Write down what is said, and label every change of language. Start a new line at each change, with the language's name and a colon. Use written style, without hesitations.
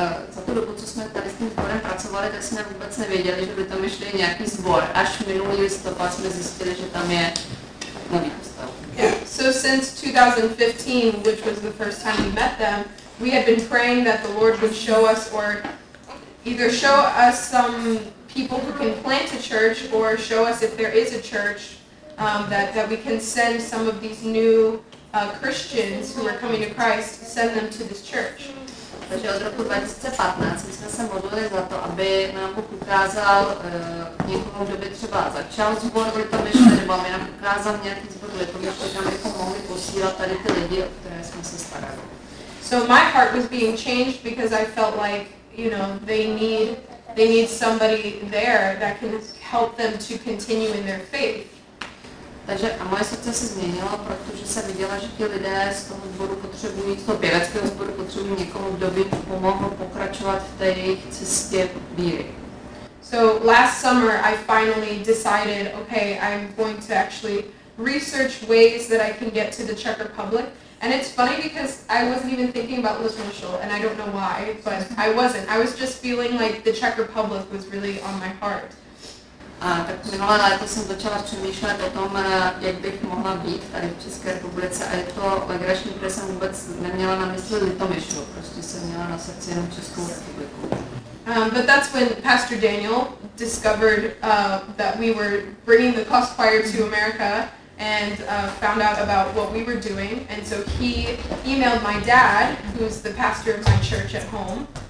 Czech: Za tu dobu, co jsme tady s tím sborem pracovali, tak jsme vůbec nevěděli, že by tam šli nějaký sbor. Až minulý listopad jsme zjistili, že tam je Nový Kostel.
English: Yeah. So since 2015, which was the first time we met them, we had been praying that the Lord would show us, or either show us some people who can plant a church, or show us if there is a church that we can send some of these new Christians who are coming to Christ, send them to this church.
Czech: Takže od roku 2015 jsme se modlili za to, aby nám Bůh ukázal někomu, kdo by třeba začal zbor v Litomyšle, nebo aby nám ukázal nějaký zbor v Litomyšle, kam bychom mohli posílat tady ty lidi, o které jsme se starali.
English: So my heart was being changed because I felt like, you know, they need somebody there that can help them to continue in their faith.
Czech: Takže a moje srdce se změnilo, protože jsem viděla, že ti lidé z toho sboru potřebují, z toho pěveckého sboru potřebují někoho, kdo by pomohl pokračovat v té jejich cestě víry.
English: So last summer I finally decided, okay, I'm going to actually research ways that I can get to the Czech Republic. And it's funny because I wasn't even thinking about Little Michel, and I don't know why, but I wasn't. I was just feeling like the Czech Republic was really on my heart.
Czech: Tak minulé léto jsem začala přemýšlet o tom, jak bych mohla být tady v České republice, a je to legrační, protože jsem vůbec neměla na mysli Litomyšl, prostě jsem měla na srdci jenom Českou republiku.
English: But that's when Pastor Daniel discovered that we were bringing the Koch choir to America and found out about what we were doing. And so he emailed my dad, who's the pastor of my church at home.